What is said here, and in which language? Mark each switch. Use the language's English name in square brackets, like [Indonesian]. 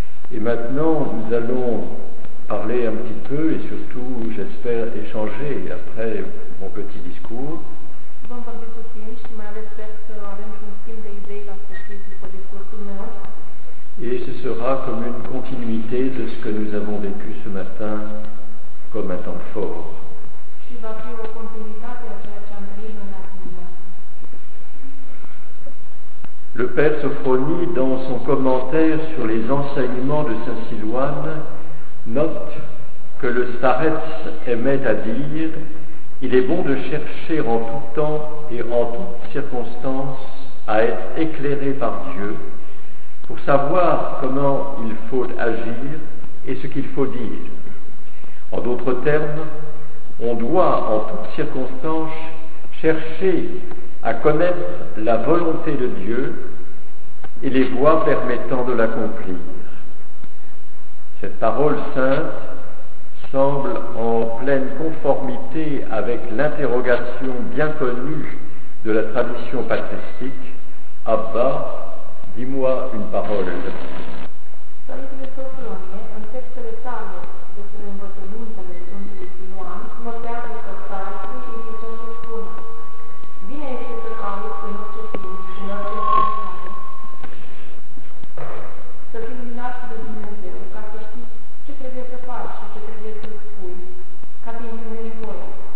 [French] Et maintenant, nous allons parler un petit peu et surtout, j'espère, échanger après mon petit discours. [Romanian] Vom vorbi puțin și mai ales sper să avem un schimb de idei la sfârșit după discursul meu. [French] Et ce sera comme une continuité de ce que nous avons vécu ce matin comme un temps fort. [Romanian] Și va fi o continuitate a ceea ce am trăit în adunare. [French] Le père Sophronie, dans son commentaire sur les enseignements de saint Silouane, note que le Starets aimait à dire « Il est bon de chercher en tout temps et en toutes circonstances à être éclairé par Dieu pour savoir comment il faut agir et ce qu'il faut dire. En d'autres termes, on doit en toutes circonstances chercher à connaître la volonté de Dieu et les voies permettant de l'accomplir. Cette parole sainte semble en pleine conformité avec l'interrogation bien connue de la tradition patristique. Abba, dis-moi une parole. [Romanian] Părintele Sofronie, în textele sale despre învățămintele Sfântului Siloan, mă pleacă că stai și îmi ce să spună. Bine este să cauți în orice timp și în orice situație să fii luminat de Dumnezeu ca să știi ce trebuie să faci și ce trebuie să spui ca să împlinești voia.